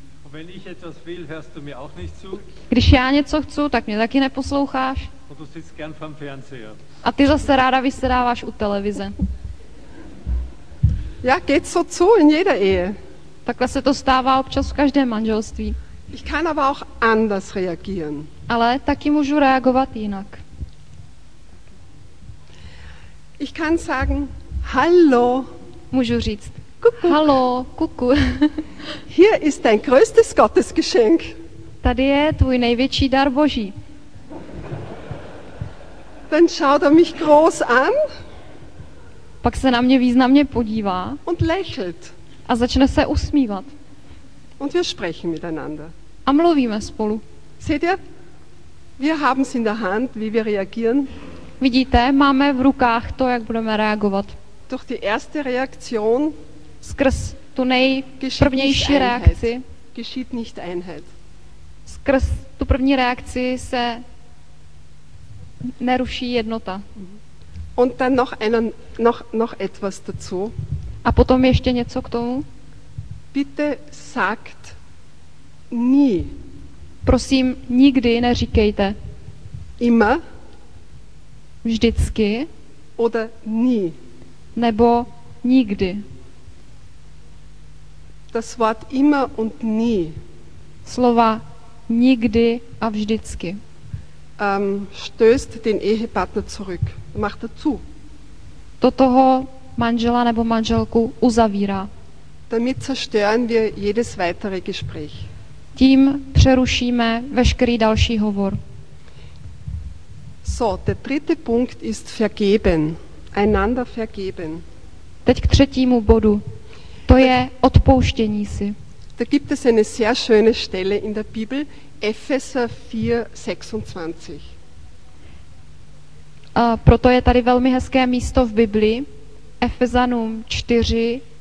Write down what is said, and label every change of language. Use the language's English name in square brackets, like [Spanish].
[German] Wenn ich etwas will, hörst du mir auch nicht zu. [Czech] Když já něco chci, tak mě taky neposloucháš. [German] Und du sitzt gern vorm Fernseher. [Czech] A ty zase ráda vysedáváš u televize. [German] Ja, geht so zu in jeder Ehe. [Czech] Takhle se to stává občas v každém manželství. [German] Ich kann aber auch anders reagieren. [Czech] Ale taky můžu reagovat jinak. [German] Ich kann sagen, hallo. [Czech] Můžu říct, kuku. Hallo, kuku. [German] Hier ist dein größtes Gottesgeschenk. [Czech] Tady je tvůj největší dar Boží. [German] Dann schaut er mich groß an. [Czech] Pak se na mě významně podívá. [German] Und lächelt. [Czech] A začne se usmívat. [German] Und wir sprechen miteinander. [Czech] A mluvíme spolu. [German] Seht ihr? Wir haben's in der Hand, wie wir reagieren. [Czech] Vidíte, máme v rukách to, jak budeme reagovat. [German] Durch die erste Reaktion [Czech] skrz tu nejprvnější reakci [German] geschieht nicht Einheit. [Czech] Skrz tu první reakci se neruší jednota. [German] Und dann noch etwas dazu. [Czech] A potom ještě něco k tomu. [German] Bitte sagt nie. [Czech] Prosím, nikdy neříkejte. [German] Immer. [Czech] Vždycky. [German] Oder nie. [Czech] Nebo nikdy. [German] Das Wort immer und nie. [Czech] Slova nikdy a vždycky. [German] Stößt den Ehepartner zurück. Macht dazu. [Czech] Do toho manžela nebo manželku uzavírá. [German] Damit zerstören wir jedes weitere Gespräch. [Czech] Tím přerušíme veškerý další hovor. [German] So, der dritte Punkt ist vergeben. Einander vergeben. [Czech] Teď k třetímu bodu. To je odpouštění si. [German] Da gibt es eine sehr schöne Stelle in der Bibel, Epheser 4:26. [Czech] Proto je tady velmi hezké místo v Biblii, Efezanům 4.